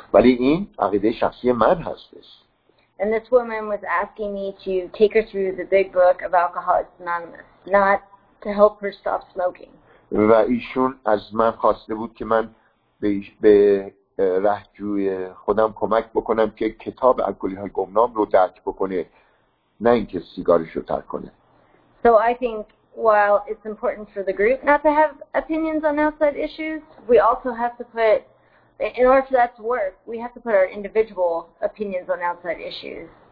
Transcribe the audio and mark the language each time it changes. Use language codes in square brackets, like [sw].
[fa] ولی این عقیده شخصی من هستش. [en] And this woman was asking me to take her through the big book of Alcoholics Anonymous, not to help her stop smoking. [fa] و ایشون از من خواسته بود که من به رهجوی خودم کمک بکنم که کتاب الکلیهای گمنام رو درک بکنه، نه اینکه سیگارش رو ترک کنه. [en] So I think while it's important for the group not to have opinions on outside issues, we also have to put, in order for that to work, we have to put our individual opinions on outside issues.